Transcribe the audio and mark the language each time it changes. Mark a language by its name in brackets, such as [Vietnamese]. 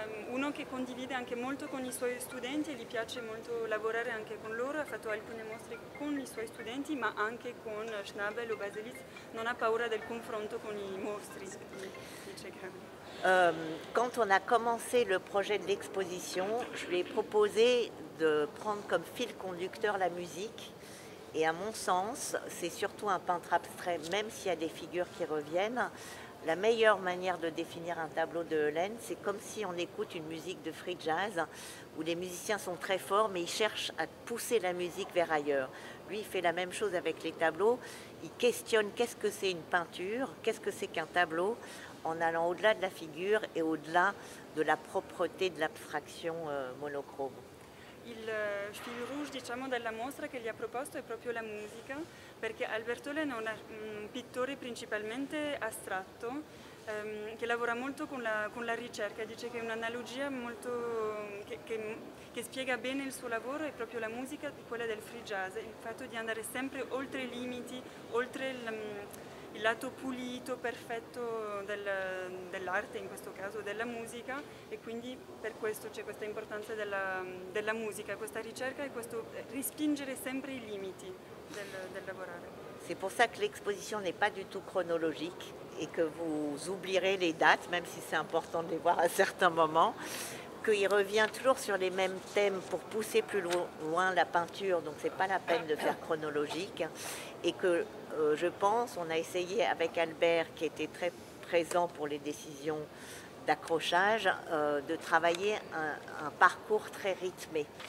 [Italian] Uno che condivide anche molto con i suoi studenti e gli piace molto lavorare anche con loro, ha fatto alcune mostre con i suoi studenti ma anche con Schnabel o Baselitz, non ha paura del confronto con i mostri, dice Gabriel. [French] Quand on a commencé le projet de l'exposition, je lui ai proposé de prendre comme fil conducteur la musique. Et à mon sens, c'est surtout un peintre abstrait, même s'il y a des figures qui reviennent. La meilleure manière de définir un tableau de Hollen, c'est comme si on écoute une musique de free jazz, où les musiciens sont très forts, mais ils cherchent à pousser la musique vers ailleurs. Lui, il fait la même chose avec les tableaux. Il questionne qu'est-ce que c'est une peinture, qu'est-ce que c'est qu'un tableau, en allant au-delà de la figure et au-delà de la propreté de l'abstraction monochrome. [Italian] Il fil rouge, diciamo, della mostra che gli ha proposto è proprio la musica, perché Albert Hollen è un pittore principalmente astratto che lavora molto con la ricerca. Dice che un'analogia molto che spiega bene il suo lavoro è proprio la musica, quella del free jazz, il fatto di andare sempre oltre i limiti, oltre il lato pulito, perfetto dell'arte, in questo caso della musica, e quindi per questo c'è questa importanza della musica, questa ricerca e questo respingere sempre i limiti del lavorare. [French] C'est pour ça que l'exposition n'est pas du tout chronologique et que vous oublierez les dates, même si c'est important de les voir à certains moments, qu'il revient toujours sur les mêmes thèmes pour pousser plus loin la peinture, donc c'est pas la peine de faire chronologique, et que je pense, on a essayé avec Albert, qui était très présent pour les décisions d'accrochage, de travailler un parcours très rythmé.